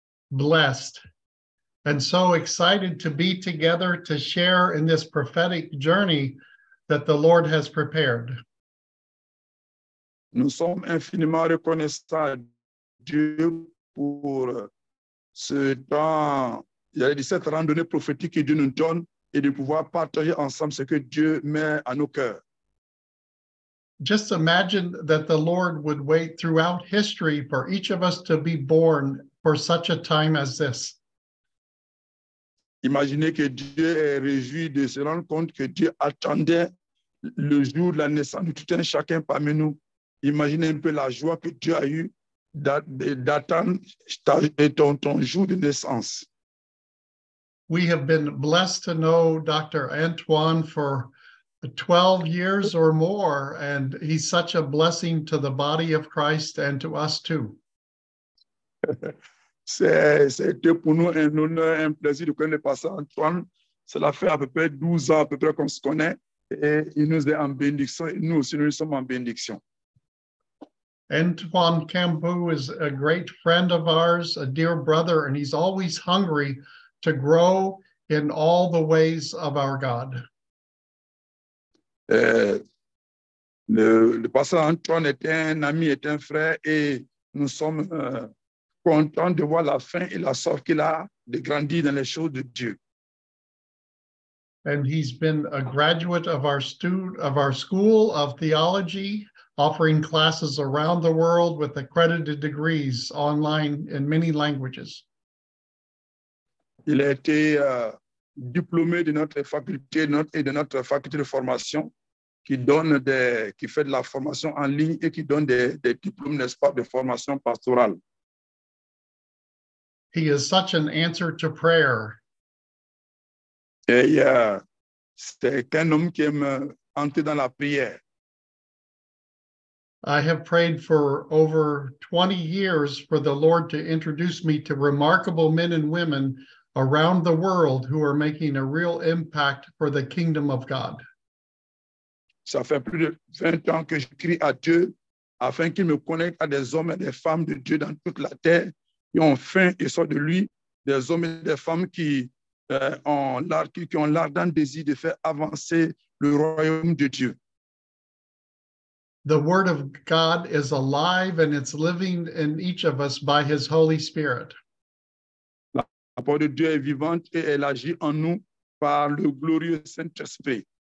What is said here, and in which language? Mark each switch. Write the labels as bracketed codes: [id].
[en] blessed and so excited to be together to share in this prophetic journey that the Lord has prepared. [fr] Nous sommes infiniment reconnaissants à Dieu pour ce temps, j'allais dire cette randonnée prophétique que Dieu nous donne et de pouvoir partager ensemble ce que Dieu met à nos cœurs. [en] Just imagine that the Lord would wait throughout history for each of us to be born for such a time as this. [fr] Imaginez que Dieu est réjoui de se rendre compte que Dieu attendait le jour de la naissance de tout un chacun parmi nous. Imaginez un peu la joie que Dieu a eu d'attendre ton jour de naissance. [en] We have been blessed to know Dr. Antoine for 12 years or more, and he's such a blessing to the body of Christ and to us too. [fr] C'était pour nous un honneur, un plaisir de connaître le pasteur Antoine. Cela fait à peu près 12 ans à peu près qu'on se connaît, et il nous est en bénédiction, et nous aussi nous sommes en bénédiction. [en] Antoine Cambou is a great friend of ours, a dear brother, and he's always hungry to grow in all the ways of our God. [fr] Le pasteur Antoine est un ami, est un frère, et nous sommes contents de voir la fin et la soif qu'il a de grandir dans les choses de Dieu. [en] And he's been a graduate of our school of theology, offering classes around the world with accredited degrees online in many languages. [fr] Il a été diplômé de notre faculté de notre faculté de formation qui fait de la formation en ligne et qui donne des diplômes, n'est-ce pas, de formation pastorale. [en] He is such an answer to prayer. [fr] Et c'est un homme qui aime entrer dans la prière. [en] I have prayed for over 20 years for the Lord to introduce me to remarkable men and women around the world who are making a real impact for the kingdom of God. [fr] Ça fait plus de 20 ans que je crie à Dieu afin qu'il me connecte à des hommes et des femmes de Dieu dans toute la terre qui ont faim et soif de lui, des hommes et des femmes qui ont l'ardent désir de faire avancer le royaume de Dieu. [en] The word of God is alive and it's living in each of us by his Holy Spirit. [fr] La parole de Dieu est vivante et elle agit en nous par le glorieux Saint-Esprit.